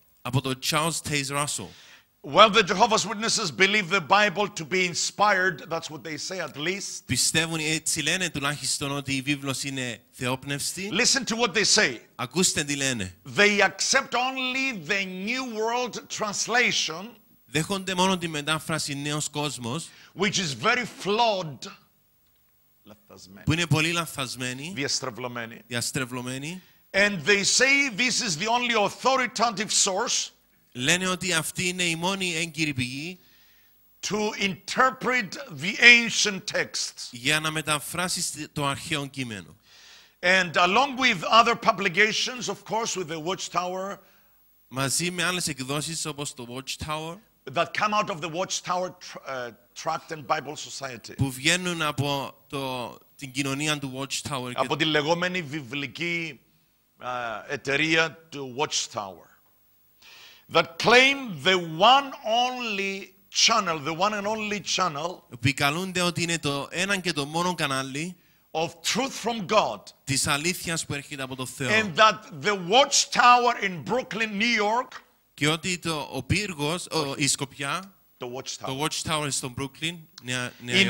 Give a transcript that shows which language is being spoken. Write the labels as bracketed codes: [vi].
[el] Από τον Charles Taze Russell. [en] Well, the Jehovah's Witnesses believe the Bible to be inspired. That's what they say, at least. [el] Πιστεύουν, έτσι λένε, τουλάχιστον, ότι η Βίβλος είναι θεόπνευστη. [en] Listen to what they say. [el] Ακούστε τι λένε. [en] They accept only the New World Translation. [el] Δέχονται μόνο τη μετάφραση Νέος Κόσμος, [en] which is very flawed. [el] Λαθασμένη. Που είναι πολύ λαθασμένη. Διαστρεβλωμένη. Διαστρεβλωμένη. [en] And they say this is the only authoritative source. [el] Λένε ότι αυτή είναι η μόνη έγκυρη πηγή [en] to interpret the ancient text. [el] Για να μεταφράσεις το αρχαίο κείμενο. [en] And along with other publications, of course, with the Watchtower. [el] Μαζί με άλλες εκδόσεις όπως το Watchtower. [en] That come out of the Watchtower Tract and Bible Society. [el] Που βγαίνουν από την κοινωνία του Watchtower. Από τη λεγόμενη βιβλική εταιρεία του Watchtower. [en] That claim the one only channel, the one and only channel. [el] Επικαλούνται ότι είναι το ένα και το μόνο κανάλι. [en] Of truth from God. [el] Της αλήθειας που έρχεται από το Θεό. [en] And that the Watchtower in Brooklyn, New York. [el] Και ότι ο πύργος, η Σκοπιά. [en] The Watchtower. [el] Το Watchtower στο Brooklyn, Νέα Υόρκη.